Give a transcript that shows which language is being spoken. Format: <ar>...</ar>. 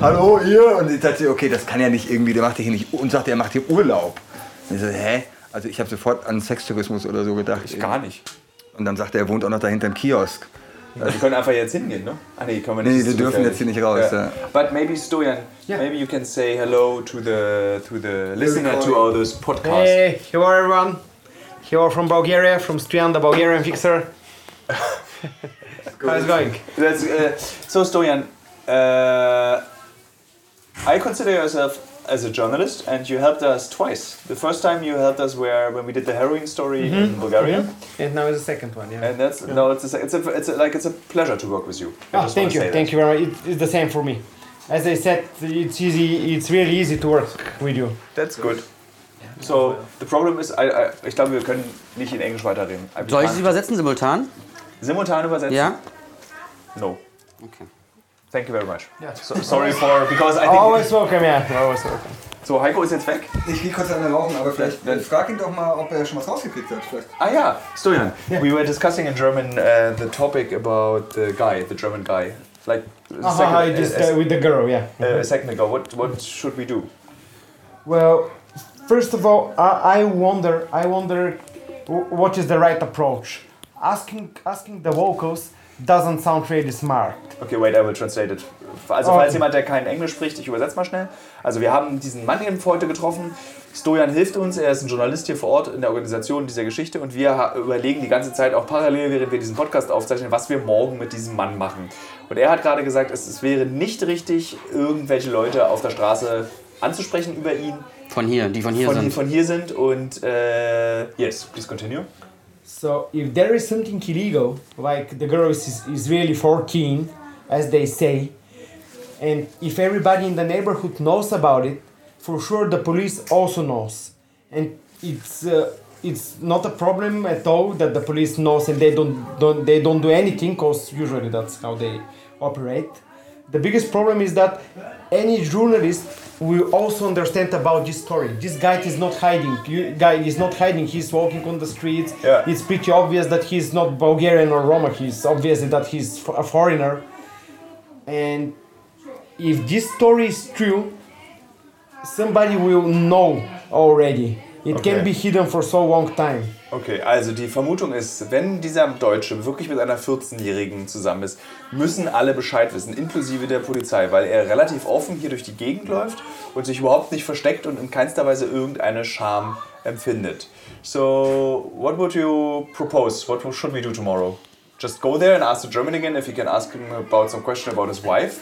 <de>hallo, hier. Und ich dachte, okay, das kann ja nicht irgendwie, der macht hier nicht, und sagt, er macht hier Urlaub. Und ich so, hä? Also ich habe sofort an Sextourismus oder so gedacht. Ich gar nicht. Und dann sagt er, wohnt auch noch dahinter im Kiosk. Wir also, können einfach jetzt hingehen, ne? Ah, nee, können wir nicht. Nee, wir dürfen jetzt hier nicht raus, ja.</de> <en>But maybe, Stojan, yeah. Maybe you can say hello to the listener to all those podcasts. Hey, how are everyone? You are from Bulgaria, from Stojan, the Bulgarian fixer. How's it going? So, Stojan, I consider yourself as a journalist, and you helped us twice. The first time you helped us were when we did the heroin story mm-hmm. in Bulgaria. Mm-hmm. And now it's the second one, yeah. And that's yeah. No, it's a pleasure to work with you. Thank you very much. It's the same for me. As I said, it's easy. It's really easy to work with you. That's good. So, the problem is,</en> <de>ich glaube, wir können nicht in Englisch weiterreden. Soll ich es übersetzen simultan? Simultan übersetzen? Ja.</de> <en>No. Okay. Thank you very much. Yeah. So, sorry for, because I think... Always welcome, yeah. Always welcome.</en> <de>So, Heiko ist jetzt weg. Ich gehe kurz an der Rauchen, aber vielleicht frag ihn doch mal, ob er schon was rausgekriegt hat. Vielleicht. Ah ja, Stojan.</de> <en>Yeah. We were discussing in German the topic about the guy, the German guy. Like With the girl, yeah. Mm-hmm. A second ago, what should we do? Well, first of all, I wonder what is the right approach. Asking the vocals doesn't sound really smart. Okay, wait, I will translate it.</en> <de>Also, falls jemand, der kein Englisch spricht, ich übersetze mal schnell. Also, wir haben diesen Mann eben heute getroffen. Stojan hilft uns, er ist ein Journalist hier vor Ort in der Organisation dieser Geschichte. Und wir überlegen die ganze Zeit auch parallel, während wir diesen Podcast aufzeichnen, was wir morgen mit diesem Mann machen. Und er hat gerade gesagt, es wäre nicht richtig, irgendwelche Leute auf der Straße anzusprechen über ihn. Von hier, die von hier von, sind. Von hier sind und,</de> <en>yes, please continue. So, if there is something illegal, like the girl is really 14, as they say, and if everybody in the neighborhood knows about it, for sure the police also knows. And it's not a problem at all that the police knows and they don't do anything, because usually that's how they operate. The biggest problem is that any journalist will also understand about this story. This guy is not hiding. He's walking on the streets. Yeah. It's pretty obvious that he's not Bulgarian or Roma. He's obviously that he's a foreigner. And if this story is true, somebody will know already. It can be hidden for so long time.</en> <de>Okay, also die Vermutung ist, wenn dieser Deutsche wirklich mit einer 14-Jährigen zusammen ist, müssen alle Bescheid wissen, inklusive der Polizei, weil er relativ offen hier durch die Gegend läuft und sich überhaupt nicht versteckt und in keinster Weise irgendeine Scham empfindet.</de> <en>So, what would you propose? What should we do tomorrow? Just go there and ask the German again if he can ask him about some question about his wife.</en>